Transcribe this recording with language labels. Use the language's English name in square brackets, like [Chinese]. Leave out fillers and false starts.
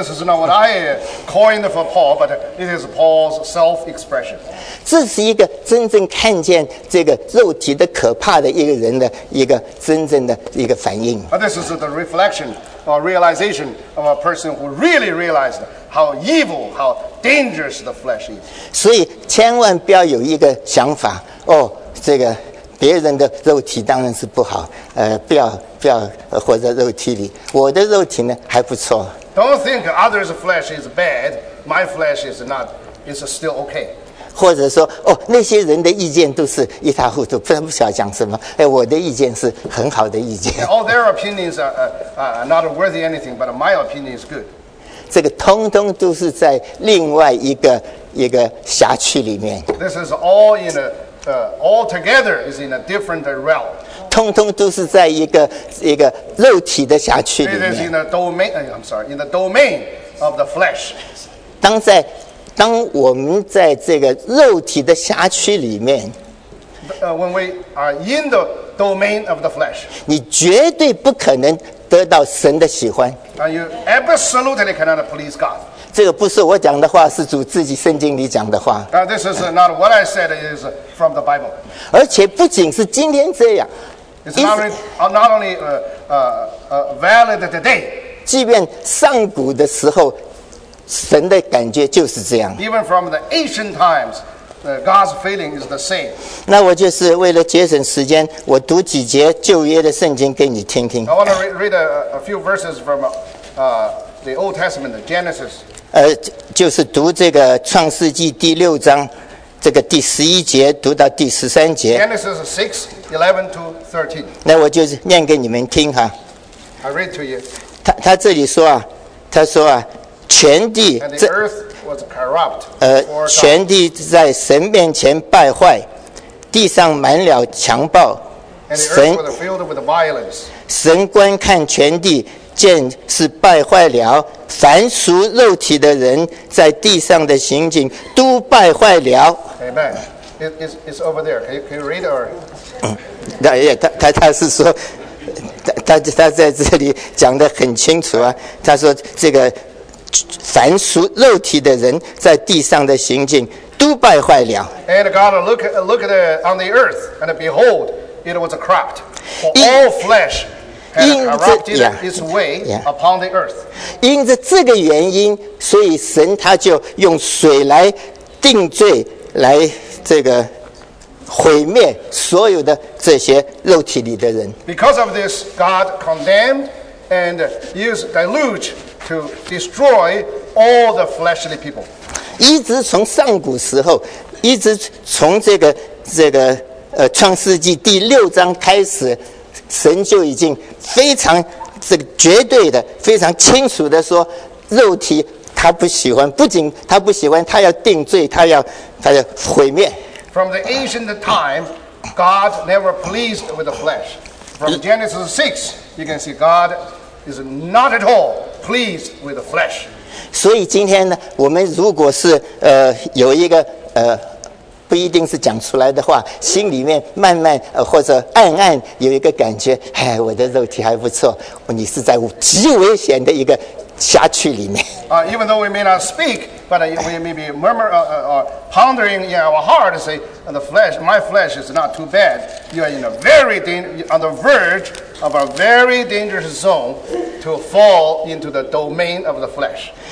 [English] This is not what I coined for Paul, but it is Paul's self-expression. [Chinese] 这是一个真正看见这个肉体的可怕的一个人的一个真正的一个反应。 [English] This is the reflection or realization of a person who really realized. How evil, how dangerous the flesh is. [Chinese] 所以千万不要有一个想法，哦，这个别人的肉体当然是不好，不要活在肉体里。我的肉体呢还不错。 [English] Don't think others' flesh is bad. My flesh is not. It's still okay. [Chinese] 或者说，哦，那些人的意见都是一塌糊涂，不知道讲什么。哎，我的意见是很好的意见。 [English] All their opinions are not worthy anything, but my opinion is good. [Chinese] 这个通通都是在另外一个辖区里面。 [English] This is all in a, all together is in a different realm. [Chinese] 通通都是在一个肉体的辖区里面。 [English] It is in a domain. I'm sorry, in the domain of the flesh. [Chinese] 当我们在这个肉体的辖区里面。 [English] When we are in the domain of the flesh. [Chinese] 你绝对不可能得到神的喜欢。 [English] And you absolutely cannot please God. [Chinese] 这个不是我讲的话，是主自己圣经里讲的话。 [English] Now this is not what I said, it is from the Bible. [Chinese] 而且不仅是今天这样。 [English] It's not only valid today. [Chinese] 即便上古的时候，神的感觉就是这样。 [English] Even from the ancient times,God's feeling is the same. [Chinese] 那我就是为了节省时间，我读几节旧约的圣经给你听听。 [English] I want to read a few verses from the Old Testament, Genesis. [Chinese] 就是读这个创世纪第六章，这个第十一节读到第十三节。 [English] Genesis 6:11-13. [Chinese] 那我就念给你们听哈。 [English] I read to you. [Chinese] 他这里说啊，他说啊，全地 [English] 这。And the earth was corrupt. [Chinese] 全地在神面前败坏，地上满了强暴。 [English] 神 was filled with violence. [Chinese] 神观看全地，见是败坏了，凡属肉体的人在地上的情景都败坏了。 [English] Amen. It's over there. Can you read or? [Chinese] 他是说。他在这里讲得很清楚啊，他说这个凡属肉体的人在地上的行径都败坏了。 [English] And God looked on the earth, and behold, it was corrupt. For all flesh had corrupted its way upon the earth. [Chinese] 因着这个原因，所以神他就用水来定罪，来这个。毁灭所有的这些肉体里的人。 [English] Because of this, God condemned and used deluge to destroy all the fleshly people. [Chinese] 一直从上古时候，一直从这个创世纪第六章开始，神就已经非常这个绝对的、非常清楚的说，肉体他不喜欢，不仅他不喜欢，他要定罪，他要毁灭。 [English] From the ancient time, God never pleased with the flesh. From Genesis 6, you can see God is not at all pleased with the flesh. [Chinese] 所以今天呢，我们如果是有一个不一定是讲出来的话，心里面慢慢或者暗暗有一个感觉，哎，我的肉体还不错，你是在极危险的一个辖区里面。 [English] Even though we may not speak, but we may be pondering in our heart, say, the flesh, my flesh is not too bad. You are in a very on the verge of a very dangerous zone to fall into the domain of the flesh.